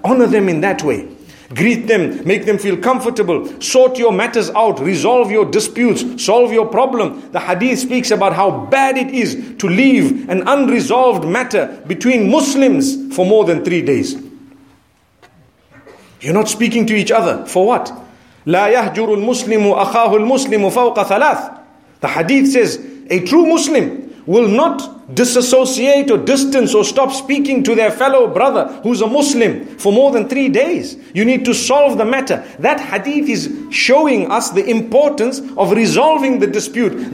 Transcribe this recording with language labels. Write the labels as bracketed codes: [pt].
[en] Honor them in that way. Greet them, make them feel comfortable, sort your matters out, resolve your disputes, solve your problem. The hadith speaks about how bad it is to leave an unresolved matter between Muslims for more than 3 days. You're not speaking to each other. For what? [ar] لا يهجر المسلم أخاه المسلم فوق ثلاث. [en] The hadith says, a true Muslim will not disassociate or distance or stop speaking to their fellow brother who's a Muslim for more than 3 days. You need to solve the matter. That hadith is showing us the importance of resolving the dispute.